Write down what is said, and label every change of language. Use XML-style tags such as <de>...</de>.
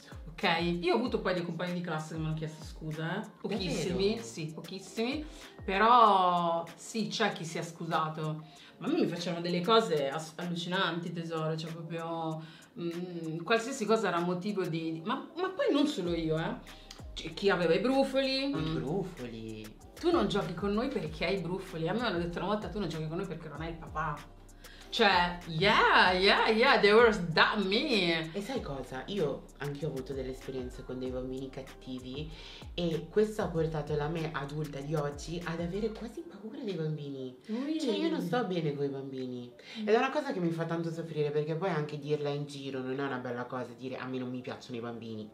<it>Ok, io ho avuto poi dei compagni di classe che mi hanno chiesto scusa, pochissimi, sì, pochissimi, però sì, c'è chi si è scusato, ma a me mi facevano delle cose allucinanti, tesoro, cioè proprio qualsiasi cosa era motivo di, ma poi non solo io, cioè, chi aveva i brufoli. I brufoli? Tu non giochi con noi perché hai i brufoli, a me mi hanno detto una volta, tu non giochi con noi perché non hai il papà.</it> <en>Cioè, yeah, they were that me.</en> <it>E sai cosa? Io anche ho avuto delle esperienze con dei bambini cattivi e questo ha portato la me adulta di oggi ad avere quasi paura dei bambini. Cioè, io non sto bene con i bambini. Ed è una cosa che mi fa tanto soffrire, perché poi anche dirla in giro non è una bella cosa, dire a me non mi piacciono i bambini.</it>